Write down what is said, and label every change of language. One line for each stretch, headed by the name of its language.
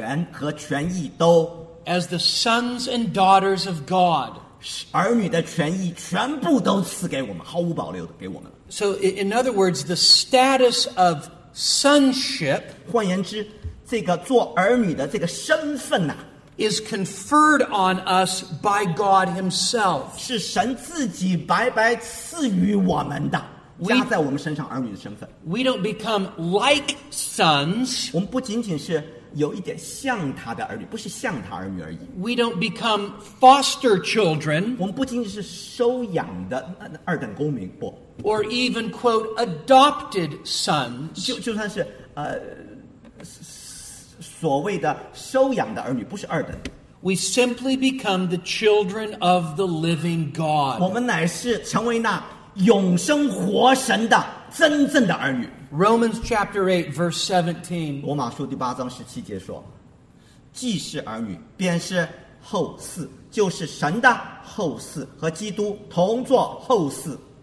Chinese: 他把所有儿女的特权和权益都
English: as the sons and daughters of God.
Chinese: 儿女的权益全部都赐给我们,
English: so in other words, the status of sonship
Chinese: 换言之,这个做儿女的这个身份啊,
English: is conferred on us by God Himself.
Chinese: 是神自己白白赐予我们的。
English: We don't become like sons.
Chinese: 我们不仅仅是有一点像他的儿女，不是像他儿女而已。
English: We don't become foster children.
Chinese: 我们不仅仅是收养的二等公民，不。
English: Or even quote adopted sons.
Chinese: 就算是所谓的收养的儿女，不是二等。
English: We simply become the children of the living God.
Chinese: 我们乃是成为那 永生活神的真正的儿女。
English: Romans chapter 8 verse 17,
Chinese: 罗马书第八章十七节说, 既是儿女, 便是后嗣, 就是神的后嗣, 和基督同作后嗣。